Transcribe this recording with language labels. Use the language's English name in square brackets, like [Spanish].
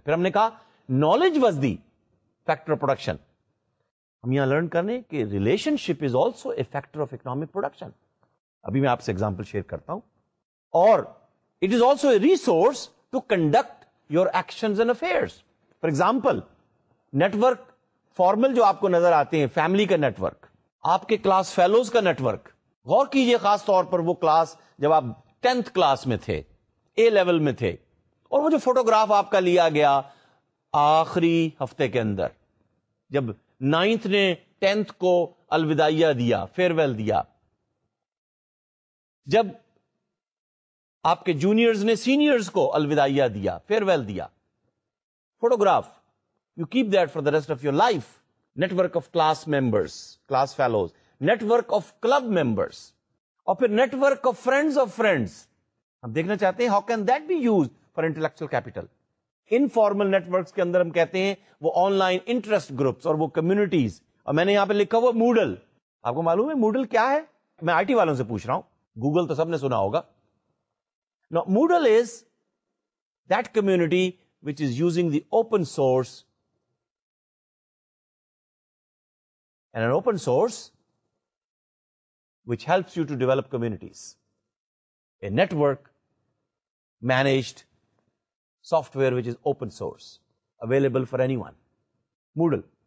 [Urdu] Phir humne kaha [English] knowledge was the factor of production. [Urdu] Hum yahan [English] learn karne ki relationship is also a factor of economic production. [Urdu] Abhi main aapse example share karta hu. [English] Aur it is also a resource to conduct your actions and affairs. For example, [Urdu] network formal جو آپ کو نظر آتے ہیں, family کا network, آپ کے class fellows کا network, غور کیجئے خاص طور پر وہ class جب آپ 10th class میں تھے, A level میں تھے, اور وہ جو photograph آپ کا لیا گیا آخری ہفتے کے اندر جب 9th نے 10th کو الوداعیہ دیا, farewell دیا, جب آپ کے جونیئرز نے سینئرز کو الوداعیہ دیا, فیئرویل دیا, photograph, [English] You keep that for the rest of your life. Network of class members, class fellows, network of club members, [Urdu] اور پھر [English] Network of friends of friends. [Urdu] ہم دیکھنا چاہتے ہیں [English] How can that be used for intellectual capital. [Urdu] Informal networks کے اندر ہم کہتے ہیں وہ آن لائن انٹرسٹ گروپس اور وہ کمیونٹیز, اور میں نے یہاں پہ لکھا ہوا موڈل. آپ کو معلوم ہے موڈل کیا ہے؟ میں آئی ٹی والوں سے پوچھ رہا ہوں, گوگل تو سب نے سنا ہوگا. [English] Now, Moodle is that community which is using the open source, and an open source which helps you to develop communities. A network managed software which is open source, available for anyone. Moodle.